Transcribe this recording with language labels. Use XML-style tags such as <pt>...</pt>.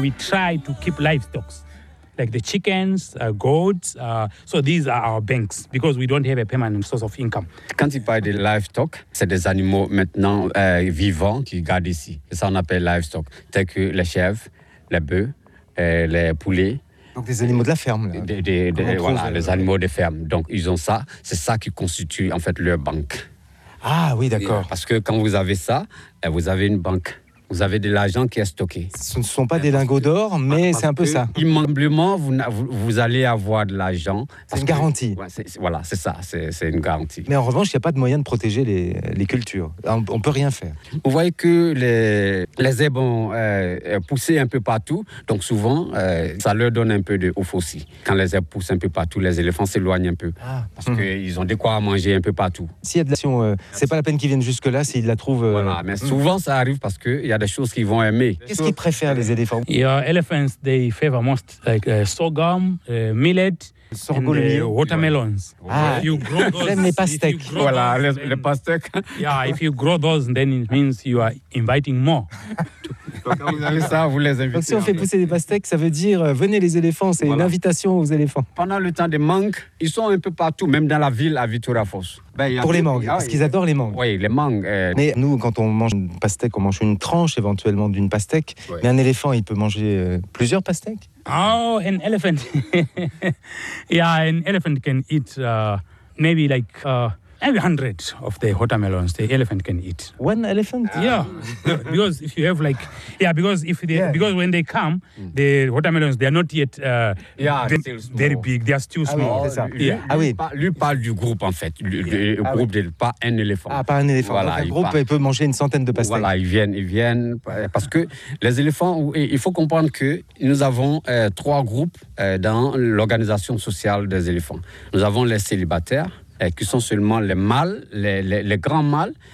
<en>We try to keep livestock, like the chickens, goats. So these are our banks because we don't have a permanent source of income.</en> <fr>Quand il parle de livestock, c'est des animaux maintenant vivants qui gardent ici. Ça on appelle livestock, tels que les chèvres, les bœufs, les poulets. Donc des animaux de la ferme. Les animaux de ferme. Donc ils ont ça. C'est ça qui constitue en fait leur banque. Ah oui, d'accord. Parce que quand vous avez ça, vous avez une banque. Vous avez de l'argent qui est stocké. Ce ne sont pas des lingots d'or, mais c'est un peu ça. Immanquablement, vous allez avoir de l'argent. C'est une garantie. Voilà, c'est ça, c'est une garantie. Mais en revanche, il n'y a pas de moyen de protéger les cultures. On ne peut rien faire. Vous voyez que les herbes ont poussé un peu partout. Donc souvent, ça leur donne un peu de ouf aussi. Quand les herbes poussent un peu partout, les éléphants s'éloignent un peu. Ah, parce qu'ils ont de quoi manger un peu partout. S'il y a de l'action, ce n'est pas la peine qu'ils viennent jusque-là s'ils la trouvent. Voilà, mais souvent, ça arrive parce qu'il y a des choses qu'ils vont aimer. Qu'est-ce qu'ils préfèrent, les éléphants?</fr> <en>Yeah, elephants, they favor most like sorghum, millet, sorghum, and watermelons. Ah, if you grow those,</en> <fr>les pastèques.</fr> <en>Grow voilà, those, then,</en> <fr>les pastèques.</fr> <en>Yeah, if you grow those, then it means you are inviting more.</en> <fr>Donc, quand vous avez ça, vous les invitez. Donc, si on fait pousser des pastèques, ça veut dire venez les éléphants, c'est voilà. Une invitation aux éléphants. Pendant le temps des mangues, ils sont un peu partout, même dans la ville à Victoria Falls. Pour les mangues, parce qu'ils adorent les mangues. Oui, les mangues. Mais nous, quand on mange une pastèque, on mange une tranche éventuellement d'une pastèque. Oui. Mais un éléphant, il peut manger plusieurs pastèques.</fr> <en>Oh, an elephant. Yeah, an elephant can eat maybe like every 100 of the watermelons the elephant can eat. One elephant? Yeah, because if you have like, because when they come, the watermelons, they are not yet very big, they are still small.</en> <fr>Ah oui, c'est ça.</fr> <en>Yeah.</en> <fr>Ah oui. Lui parle du groupe en fait, groupe de pas un éléphant. Ah, pas un éléphant. Voilà, donc, groupe, il peut manger une centaine de pastèques. Voilà, ils viennent, parce que les éléphants, il faut comprendre que nous avons trois groupes dans l'organisation sociale des éléphants. Nous avons les célibataires, qui sont seulement les mâles, les grands mâles.</fr>